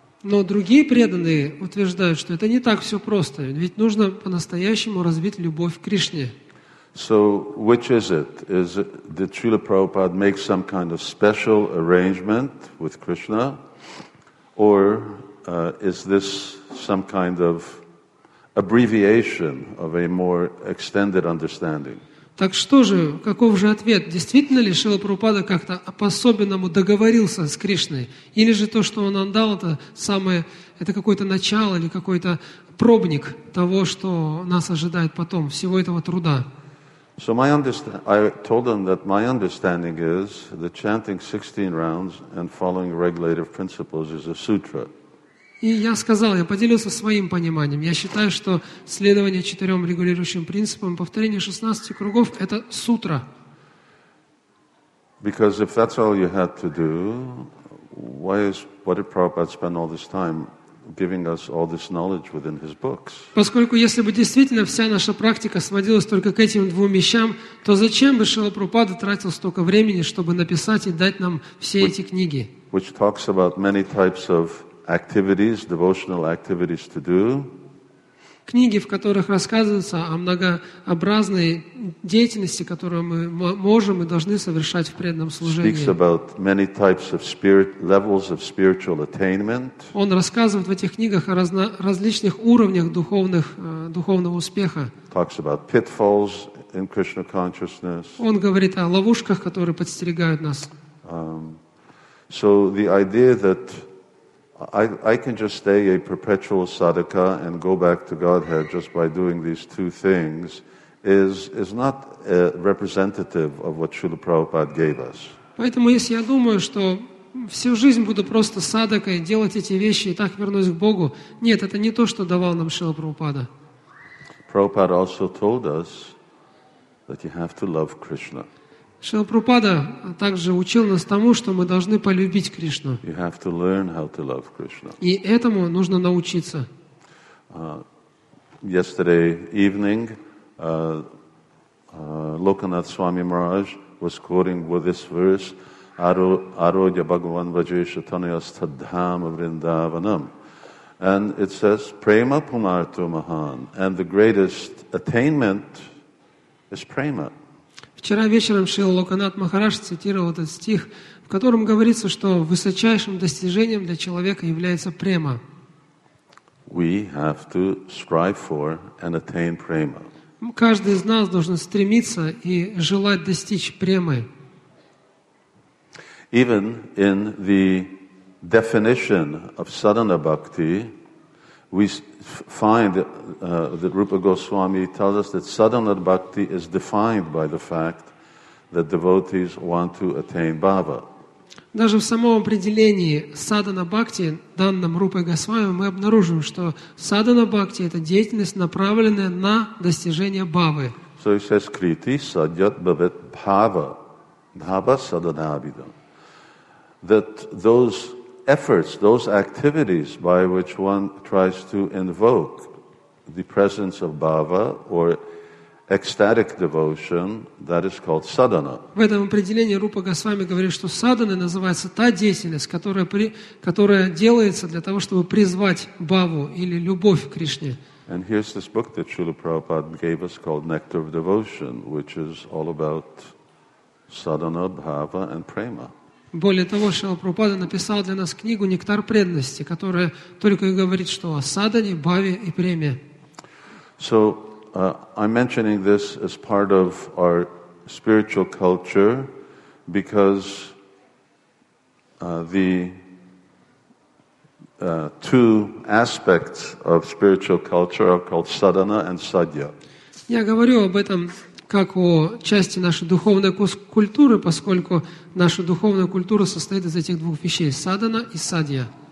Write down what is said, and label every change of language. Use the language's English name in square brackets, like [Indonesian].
[Russian] Но другие преданные утверждают, что это не так все просто. Ведь нужно по-настоящему развить любовь к Кришне. [English] So, which is it? Is it, did Srila Prabhupada make some kind of special arrangement with Krishna? Or is this some kind of abbreviation of a more extended understanding? [Russian] Так что же, каков же ответ? Действительно ли Шрила Прабхупада как-то по-особенному договорился с Кришной? Или же то, что он нам дал, это какое-то начало или какой-то пробник того, что нас ожидает потом, всего этого труда? [English] So I told them that my understanding is that chanting 16 rounds and following regulative principles is a sutra. [Russian] И я сказал, я поделился своим пониманием. Я считаю, что следование четырем регулирующим принципам, повторение 16 кругов – это сутра. [English] Because if that's all you had to do, why is, what did Prabhupada spend all this time giving us all this knowledge within his books. [Russian] Поскольку если бы действительно вся наша практика сводилась только к этим двум вещам, то зачем бы Шрила Прабхупада тратил столько времени, чтобы написать и дать нам все эти книги? [English] Which talks about many types of activities, devotional activities to do. [Russian] Книги, в которых рассказывается о многообразной деятельности, которую мы можем и должны совершать в преданном служении. [English] Speaks about many types of spirit, levels of spiritual attainment. [Russian] Он рассказывает в этих книгах о различных уровнях духовного успеха. [English] Talks about pitfalls in Krishna consciousness. [Russian] Он говорит о ловушках, которые подстерегают нас. [English] So the idea that I can just stay a perpetual sadhaka and go back to Godhead just by doing these two things is not representative of what Srila Prabhupada gave us. [Russian] Поэтому если я думаю, что всю жизнь буду просто садакой, делать эти вещи и так вернусь к Богу, нет, это не то, что давал нам Шрила Прабхупада. [English] Prabhupada also told us that you have to love Krishna. [Russian] Шрила Прабхупада также учил нас тому, что мы должны полюбить Кришну. [English] You have to learn how to love Krishna. [Russian] И этому нужно научиться. [English] Yesterday evening, Lokanath Swami Maharaj was quoting with this verse, [Sanskrit] Arogya Bhagavan Vajesha Tanayas Taddham Vrindavanam. [English] And it says, [Sanskrit] Prema Pumartu Mahan. [English] And the greatest attainment is Prema. [Russian] Вчера вечером Шрила Локанат Махарадж цитировал этот стих, в котором говорится, что высочайшим достижением для человека является према. [English] We have to strive for and attain prema. [Russian] Каждый из нас должен стремиться и желать достичь премы. [English] Even in the definition of sadhana bhakti, we find that Rupa Goswami tells us that sadhana bhakti is defined by the fact that devotees want to attain bhava. [Russian] Даже в самом определении sadhana bhakti, данном Рупой Госвами, мы обнаружим, что sadhana bhakti — это деятельность, направленная на достижение бхавы. [English] So he says, [Sanskrit] kriti sadyat bhavet bhava, bhava sadhana abhidam. [English] That those efforts, those activities by which one tries to invoke the presence of bhava or ecstatic devotion, that is called sadhana. [Russian] В этом определении Рупа Госвами говорит, что садхана называется та деятельность, которая делается для того, чтобы призвать бхаву или любовь к Кришне. [English] And here's this book that Srila Prabhupada gave us called Nectar of Devotion, which is all about sadhana, bhava and prema. [Russian] Более того, Шрила Прабхупада написал для нас книгу «Нектар преданности», которая только и говорит, что о садхане, бхаве и преме. [English] So, I'm mentioning this as part of our spiritual culture because the two aspects of spiritual culture are called sadhana and sadhya. [Russian] Я говорю об этом как о части нашей духовной культуры, поскольку наша духовная культура состоит из этих двух вещей – садхана и садья.